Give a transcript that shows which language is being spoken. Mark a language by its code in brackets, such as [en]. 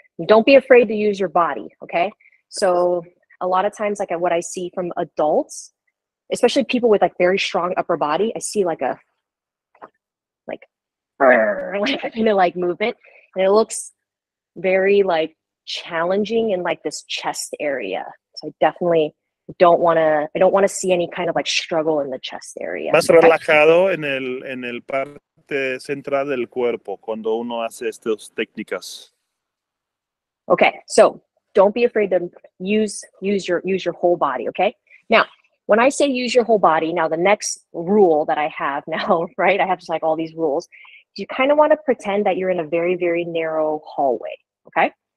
[en] Don't be afraid to use your body, okay? So a lot of times, like what I see from adults, especially people with like very strong upper body, I see like a like kind of like movement, and it looks very like challenging in like this chest area. So I definitely don't want to see any kind of like struggle in the chest area. [es] Más relajado en el parte central del cuerpo cuando uno hace estas técnicas. [en] Okay, so don't be afraid to use your whole body. Okay, now. When I say use your whole body, now the next rule that I have now, right? I have just like all these rules. You kind of want to pretend that you're in a very, very narrow hallway, okay?